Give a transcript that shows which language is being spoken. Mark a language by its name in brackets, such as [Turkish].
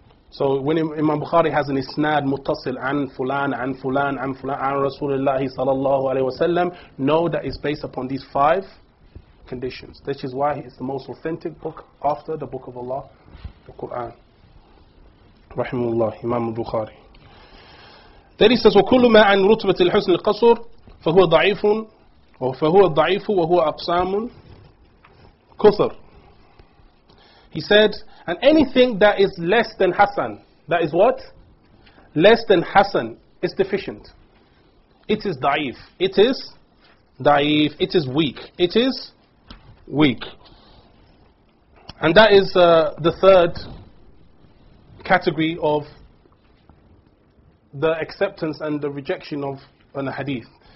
[English] So when Imam Bukhari has an isnad muttasil an fulan, an fulan, an fulan, an Rasulullah sallallahu alayhi wa sallam, know that it's based upon these five conditions. This is why it's the most authentic book after the book of Allah, the Quran. Rahimullah, Imam Bukhari. Then he says, [Arabic] وَكُلُّ مَا عَنْ رُتْبَةِ الْحُسْنِ الْقَصُرِ فَهُوَ ضَعِيفٌ وَهُوَ الضَّعِيفُ وَهُوَ أَقْسَامٌ كُثَر. [English] He said, and anything that is less than Hassan, that is what? Less than Hassan, is deficient. It is da'if. It is da'if. It is weak. It is weak. And that is the third category of the acceptance and the rejection of an hadith.